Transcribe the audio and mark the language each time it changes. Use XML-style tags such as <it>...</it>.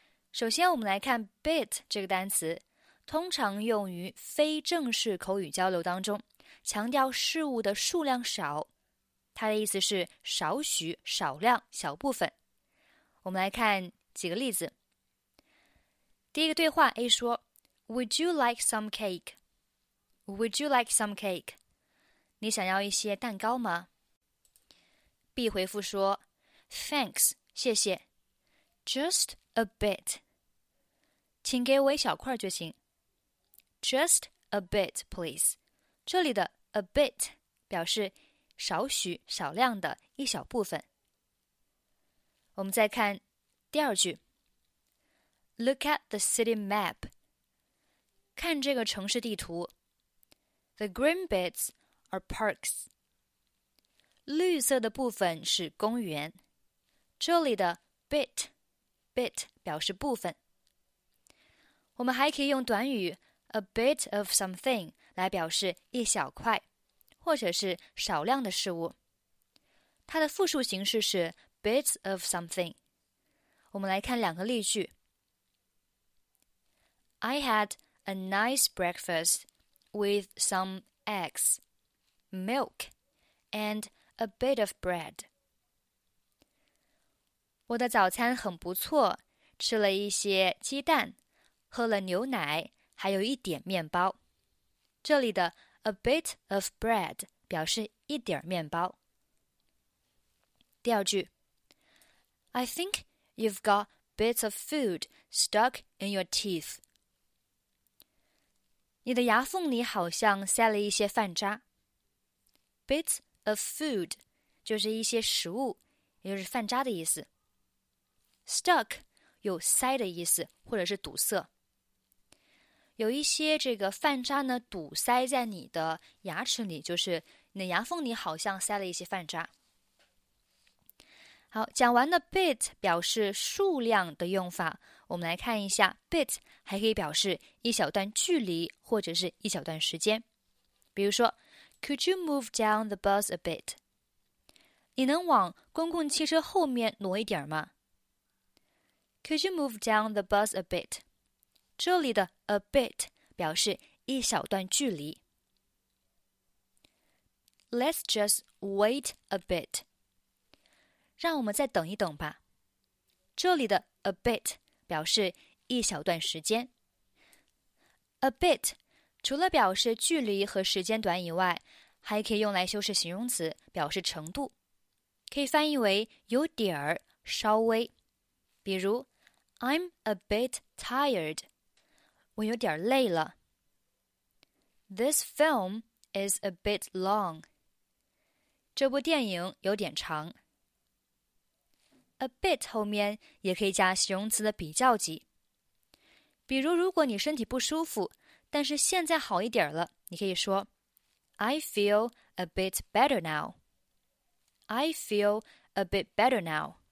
<zh>首先，我们来看 bit 这个单词，通常用于非正式口语交流当中，强调事物的数量少，它的意思是少许、少量、小部分。我们来看几个例子。第一个对话 ，A 说 ：</zh> <en>“Would you like some cake? Would you like some cake?”</en> <zh>你想要一些蛋糕吗 ？B 回复说 ：“Thanks， 谢谢 ，just a bit， 请给我一小块就行 ，</zh> <en>just a bit please。”</en> <zh>这里的 a bit 表示少许、少量的一小部分。我们再看第二句 ：</zh> <en>“Look at the city map，</en> <zh>看这个城市地图 ，</zh> <en>the green bits。”</en> <zh>而 parks 绿色的部分是公园，这里的 bit 表示部分。我们还可以用短语 a bit of something 来表示一小块或者是少量的事物，它的复数形式是 bits of something。我们来看两个例句。</zh> <en>I had a nice breakfast with some eggs. Milk and a bit of bread.</en> <zh>我的早餐很不错，吃了一些鸡蛋，喝了牛奶，还有一点面包。这里的 a bit of bread 表示一点面包。第二句</zh> <en>I think you've got bits of food stuck in your teeth.</en> <zh>你的牙缝里好像塞了一些饭渣。</zh> <en>Bits of food</en> <zh>就是一些食物，也就是饭渣的意思。 Stuck 有塞的意思，或者是堵塞。有一些这个饭渣呢，堵塞在你的牙齿里，就是你的牙缝里好像塞了一些饭渣。好，讲完了 bit 表示数量的用法，我们来看一下 bit 还可以表示一小段距离或者是一小段时间，比如说。</zh> <en>Could you move down the bus a bit?</en> <zh>你能往公共汽车后面挪一点吗</zh> <en>？Could you move down the bus a bit?</en> <zh>这里的 a bit 表示一小段距离。</zh> <en>Let's just wait a bit.</en> <zh>让我们再等一等吧。这里的 a bit 表示一小段时间。 A bit 除了表示距离和时间短以外，还可以用来修饰形容词，表示程度，可以翻译为有点儿、稍微。比如 ，</zh> <en>I'm a bit tired，</en> <zh>我有点累了。</zh> <en>This film is a bit long，</en> <zh>这部电影有点长。 A bit 后面也可以加形容词的比较级。比如，如果你身体不舒服，但是现在好一点了，你可以说。</zh> <en>I feel a bit better now. I feel a bit better now.</en>